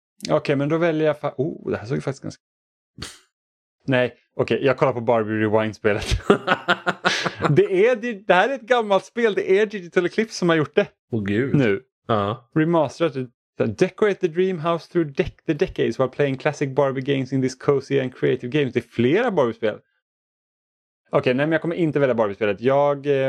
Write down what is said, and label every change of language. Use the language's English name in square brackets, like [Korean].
[Swedish] Okej, men då väljer jag... det här såg ju faktiskt ganska... Nej, okej, jag kollar på Barbie Rewind-spelet. det här är ett gammalt spel. Det är Digital Eclipse som har gjort det. Åh gud. Nu. Remastered. [English] Decorate the dream house through the decades while playing classic Barbie games in this cozy and creative games. [Swedish] Det är flera Barbie-spel. Okej, nej, men jag kommer inte välja Barbie-spelet. Jag...